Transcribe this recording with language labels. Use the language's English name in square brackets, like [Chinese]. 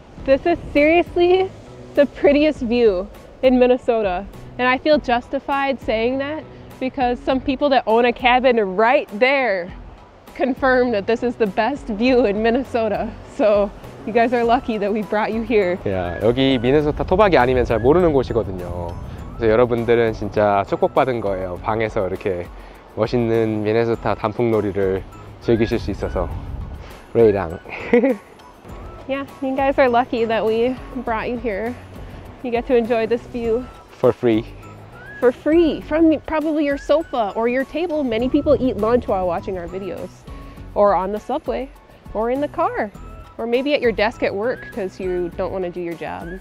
[English] This is seriously the prettiest view in Minnesota, and I feel justified saying that. Because some people that own a cabin right there confirmed that this is the best view in Minnesota. So you guys are lucky that we brought you here. [Korean] Yeah, 여기 미네소타 토박이 아니면 잘 모르는 곳이거든요. 그래서 여러분들은 진짜 축복받은 거예요. 방에서 이렇게 멋있는 미네소타 단풍놀이를 즐기실 수 있어서 레이랑. [English] Yeah, you guys are lucky that we brought you here. You get to enjoy this view for free. For free, from probably your sofa or your table. Many people eat lunch while watching our videos. Or on the subway, or in the car. Or maybe at your desk at work because you don't want to do your job.